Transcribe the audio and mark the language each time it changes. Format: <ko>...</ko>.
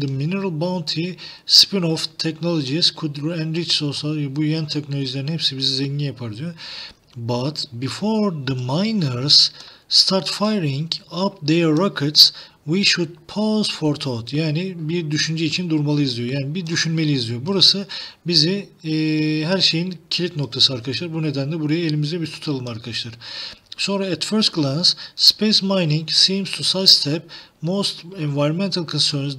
<en>The mineral bounty spin-off technologies could enrich society.</en> <tr>Bu yeni teknolojilerin hepsi bizi zengin yapar diyor.</tr> <en>But before the miners start firing up their rockets, we should pause for thought.</en> <tr>Yani bir düşünce için durmalıyız diyor. Yani bir düşünmeliyiz diyor. Burası bizi her şeyin kilit noktası arkadaşlar. Bu nedenle burayı elimize bir tutalım arkadaşlar. Sonra</tr> <en>at first glance, space mining seems to sidestep most environmental concerns.</en>